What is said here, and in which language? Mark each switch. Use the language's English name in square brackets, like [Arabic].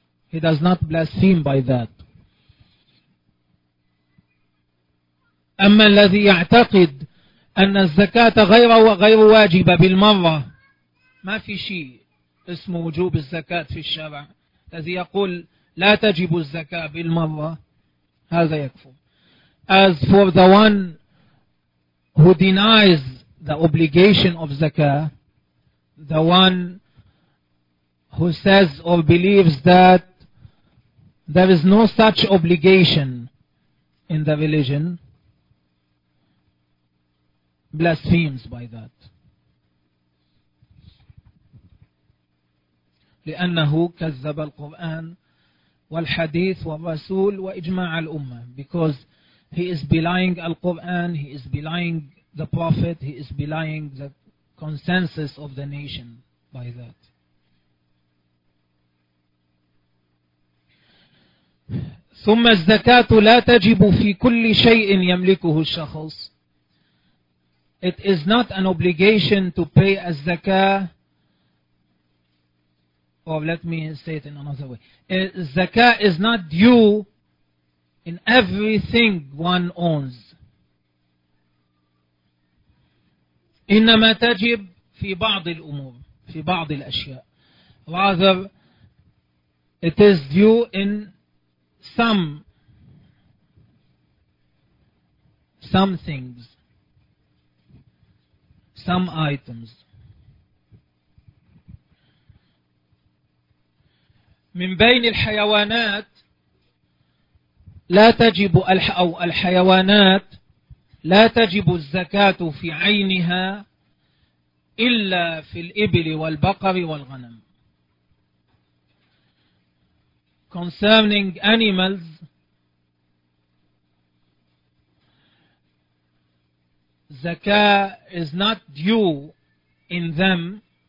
[English] He does not blaspheme by that. [Arabic] أما الذي يعتقد أن الزكاة غير واجبة بالمرة ما في شيء اسمه وجوب الزكاة في الشرع. الذي يقول لا تجب الزكاة بالمرة هذا يكفر. [English] As for the one who denies the obligation of zakah, the one who says or believes that there is no such obligation in the religion, blasphemes by that. [Arabic] لأنه كذب القرآن والحديث والرسول وإجماع الأمة. [English] Because he is belying Al-Quran, he is belying the Prophet, he is belying the consensus of the nation by that. [Arabic] ثم الزكاة لا تجب في كل شيء يملكه الشخص. [English] It is not an obligation to pay a zakah. Or let me say it in another way. Zakah is not due in everything one owns. [Arabic] إنما تجب في بعض الأمور في بعض الأشياء. [English] Rather, it is due in some things, some items. [Arabic] من بين الحيوانات لا تجب أو الحيوانات لا تجب الزكاة في عينها إلا في الإبل والبقر والغنم. [English] Concerning animals, zakah is not due in them